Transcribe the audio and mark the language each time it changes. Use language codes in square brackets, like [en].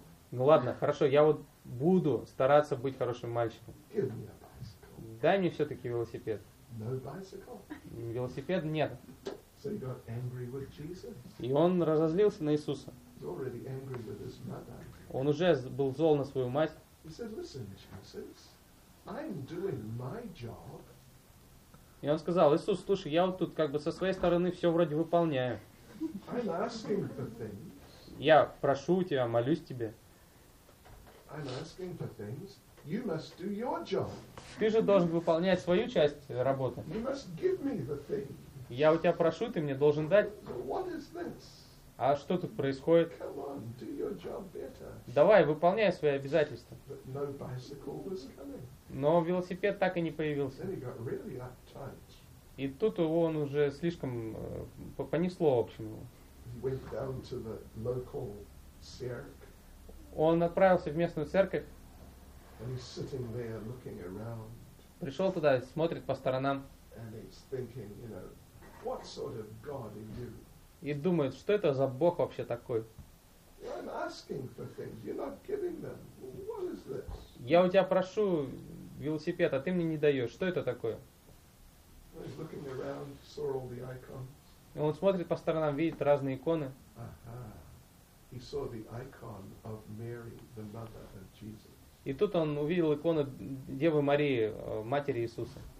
[ru] Ну ладно, хорошо, я вот буду стараться быть хорошим мальчиком. Дай мне все-таки велосипед. [en] No bicycle. [ru] Велосипед нет. [en] So he got angry with Jesus. [ru] И он разозлился на Иисуса. [en] He's already angry with his mother. [ru] Он уже был зол на свою мать. [en] He said, listen, Jesus, I'm doing my job. [ru] И он сказал, Иисус, слушай, я вот тут как бы со своей стороны все вроде выполняю. [en] I'm asking for things. [ru] Я прошу тебя, молюсь тебе. [en] I'm asking for things. You must do your job. [ru] Ты же должен выполнять свою часть работы. [en] You must give me the thing. [ru] Я у тебя прошу, ты мне должен дать. [en] So what is this? [ru] А что тут происходит? [en] Come on, do your job better. [ru] Давай, выполняй свои обязательства. [en] But no bicycle was coming. [ru] Но велосипед так и не появился. [en] Then he got really uptight. [ru] И тут он уже слишком понесло, в общем. [en] He went down to the local cirque. [ru] Он отправился в местную церковь. [en] And he's sitting there looking around. [ru] Пришел туда, смотрит по сторонам. [en] And he's thinking, you know, what sort of God are you? [ru] И думает, что это за Бог вообще такой? [en] I'm asking for things, you're not giving them. What is this? [ru] Я у тебя прошу велосипед, а ты мне не даешь. Что это такое? [en] And he's looking around, saw all the icons. [ru] И он смотрит по сторонам, видит разные иконы. Uh-huh. [en] He saw the icon of Mary, the mother of Jesus. [ru] И тут он увидел икону Девы Марии, Матери Иисуса.